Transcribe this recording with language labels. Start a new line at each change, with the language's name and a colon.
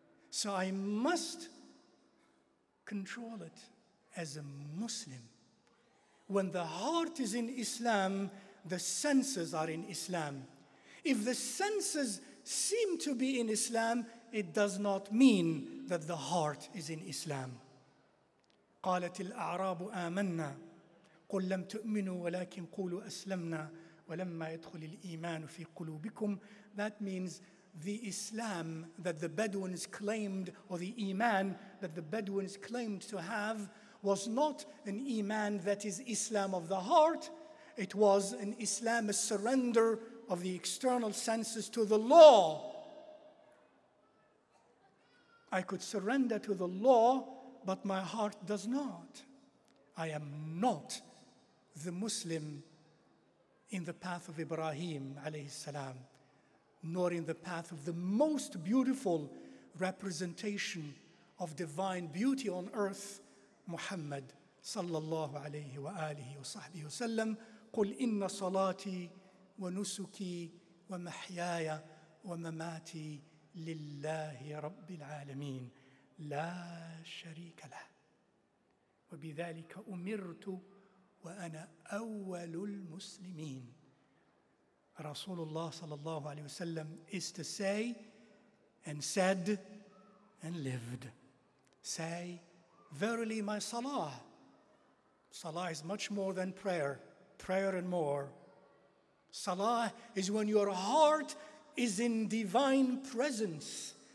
English: So I must control it as a Muslim. When the heart is in Islam, the senses are in Islam. If the senses seem to be in Islam, it does not mean that the heart is in Islam.
Arabic: قالت الأعراب آمنا قل لم تؤمنوا ولكن قولوا أسلمنا ولما يدخل الإيمان في قلوبكم.
English: That means the Islam that the Bedouins claimed, or the Iman that the Bedouins claimed to have, was not an Iman that is Islam of the heart. It was an Islam, a surrender of the external senses to the law. I could surrender to the law, but my heart does not. I am not the Muslim in the path of Ibrahim alayhi salam, nor in the path of the most beautiful representation of divine beauty on earth, Muhammad sallallahu alayhi wa alihi wa sahbihi wa sallam.
Arabic: قُلْ إِنَّ صَلَاتِي وَنُسُكِي وَمَحْيَايَ وَمَمَاتِي لِلَّهِ رَبِّ الْعَالَمِينَ لا شريك له وبذلك أمرت وأنا أول المسلمين. رسول الله صلى الله عليه وسلم
English: is to say and said and lived. Say, verily my salah. Salah is much more than prayer. Prayer and more. Salah is when your heart is in divine presence.